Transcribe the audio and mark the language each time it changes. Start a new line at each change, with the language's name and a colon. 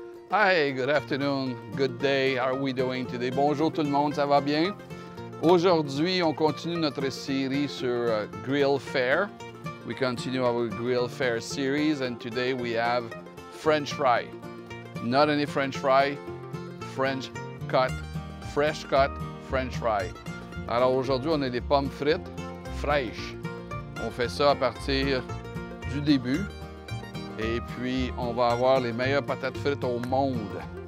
English: Hi, good afternoon, good day, how are we doing today?
French: Bonjour tout le monde, ça va bien? Aujourd'hui, on continue notre série sur grill fare.
English: We continue our grill fare series, and today we have French fry. Not any French fry, French cut, fresh cut French fry.
French: Alors aujourd'hui, on a des pommes frites fraîches. On fait ça à partir du début. Et puis, on va avoir les meilleures patates frites au monde.